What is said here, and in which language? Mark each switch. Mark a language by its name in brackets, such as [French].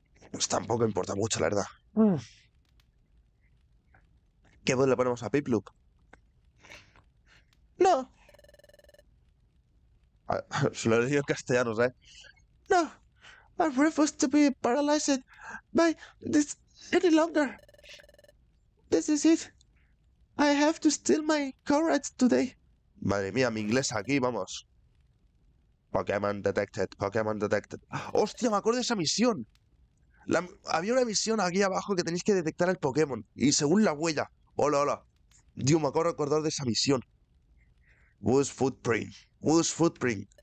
[Spanish] Pues tampoco importa mucho, la verdad. ¿Qué voz le ponemos a Piplup? No. Se lo he dicho en castellano, ¿sabes? No. [English] I refuse to be paralyzed by this any longer. This is it. I have to steal my courage today. [Spanish] Madre mía, mi inglés aquí, vamos. [English] Pokémon detected, Pokémon detected. [Spanish] ¡Hostia, me acuerdo de esa misión! Había una misión aquí abajo que tenéis que detectar el Pokémon. Y según la huella. ¡Hola, hola! Dios, me acabo de acordar de esa misión. Woods Footprint. Woods Footprint.